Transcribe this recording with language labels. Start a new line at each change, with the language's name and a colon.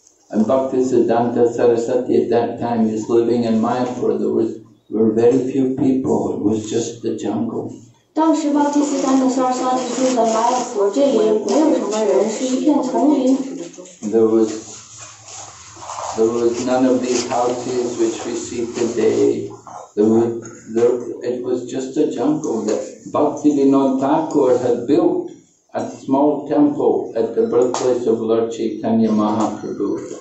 English: And Bhaktisiddhanta Sarasvati at that time is living in Mayapur. There were very few people. It was just the jungle.
Chinese: 当时巴基斯坦的萨尔萨提住在麦普，这里没有什么人，是一片丛林。
English: There was none of these houses which we see today. It was just a jungle that Bhaktivinoda Thakur had built a small temple at the birthplace of Lord Chaitanya Mahaprabhu.